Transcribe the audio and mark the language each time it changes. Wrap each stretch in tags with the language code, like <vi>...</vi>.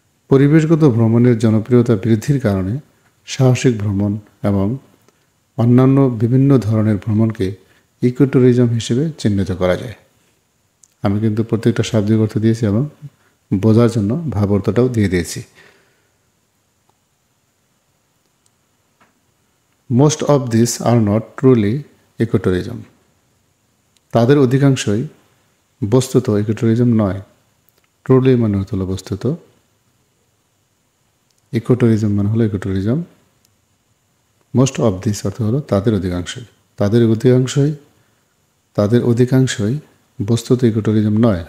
<bn>পরিবেশগত ভ্রমণের জনপ্রিয়তা বৃদ্ধির কারণে সাহসিক ভ্রমণ এবং অন্যান্য বিভিন্ন ধরনের ভ্রমণকে ইকোট্যুরিজম হিসেবে চিহ্নিত করা যায়। আমি কিন্তু প্রত্যেকটা শাব্দিক অর্থ দিয়েছি এবং বোঝার জন্য ভাবার্থটাও দিয়ে দিয়েছি।</bn> <en>most of these are not truly ecotourism.</en> <bn>তাদের অধিকাংশই বস্তুত ecotourism নয়, truly মানে হল বস্তুত ecotourism মানে হল ecotourism.</bn> <en>Most of these</en> <bn>অর্থ হল তাদের অধিকাংশই, তাদের অধিকাংশই বস্তুত ecotourism নয়.</bn>